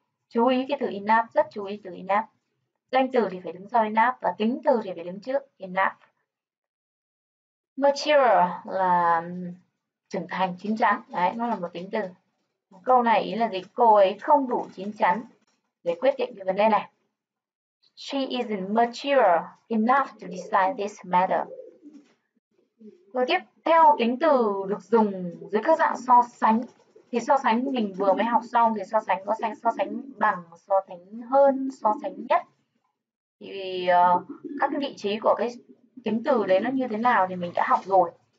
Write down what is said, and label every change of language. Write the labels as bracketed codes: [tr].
[vi] Chú ý cái từ enough, rất chú ý từ enough. Danh từ thì phải đứng sau enough và tính từ thì phải đứng trước enough. Mature là trưởng thành, chín chắn. Đấy, nó là một tính từ. Câu này ý là gì? Cô ấy không đủ chín chắn để quyết định cái vấn đề này. [en] She isn't mature enough to decide this matter. [vi] Rồi tiếp theo tính từ được dùng dưới các dạng so sánh. Thì so sánh mình vừa mới học xong thì so sánh có sánh so sánh bằng, so sánh hơn, so sánh nhất. Thì các vị trí của cái tính từ đấy nó như thế nào thì mình đã học rồi.